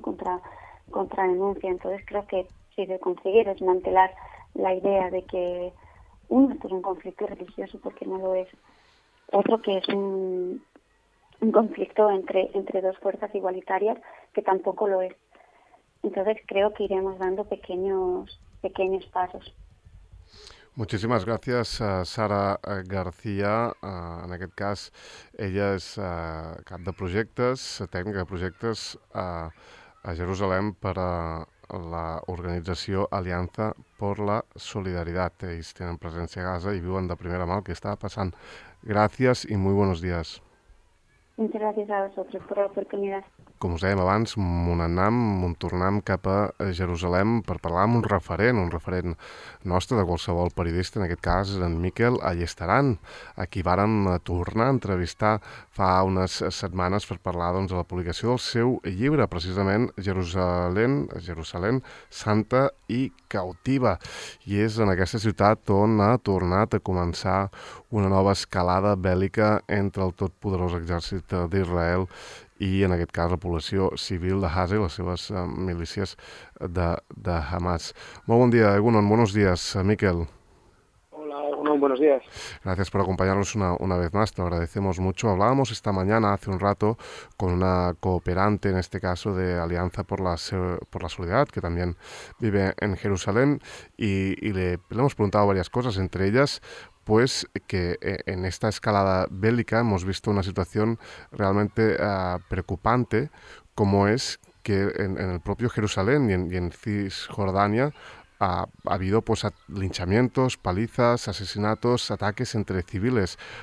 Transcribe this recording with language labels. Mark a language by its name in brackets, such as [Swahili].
[Spanish] Contra denuncia. Entonces creo que si se consigue desmantelar la idea de que uno, esto es un conflicto religioso, porque no lo es, otro que es un conflicto entre dos fuerzas igualitarias, que tampoco lo es. Entonces creo que iremos dando pequeños pasos. Muchísimas [Catalan] gràcies, Sara García. En aquest cas, ella és cap de projectes, tècnica de projectes a Jerusalem per a l'organització Aliança per la Solidaritat. Ells tenen presència a Gaza i viuen de primera mà el que està passant. Gràcies i molt bons dies. [Spanish] Muchas gracias a vosotros por la oportunidad. [Catalan] Com us dèiem abans, mon tornam cap a Jerusalem per parlar amb un referent nostre, de qualsevol periodista, en aquest cas en Miquel Allestaran, a qui vàrem tornar a entrevistar fa unes setmanes per parlar de la publicació del seu llibre, precisament Jerusalem, Santa i Cautiva. I és en aquesta ciutat on ha tornat a començar una nova escalada bèl·lica entre el totpoderós exèrcit d'Israel i, en aquest cas, la població civil de Gaza i les seves milícies de Hamas. Molt bon dia, Egunon. [Spanish] Buenos días, Miquel. Muy buenos días. Gracias por acompañarnos una vez más, te lo agradecemos mucho. Hablábamos esta mañana, hace un rato, con una cooperante, en este caso de Alianza por la Solidaridad, que también vive en Jerusalén, y le hemos preguntado varias cosas, entre ellas, pues que en esta escalada bélica hemos visto una situación realmente preocupante, como es que en el propio Jerusalén y en Cisjordania ha habido pues linchamientos, palizas, asesinatos, ataques entre civiles.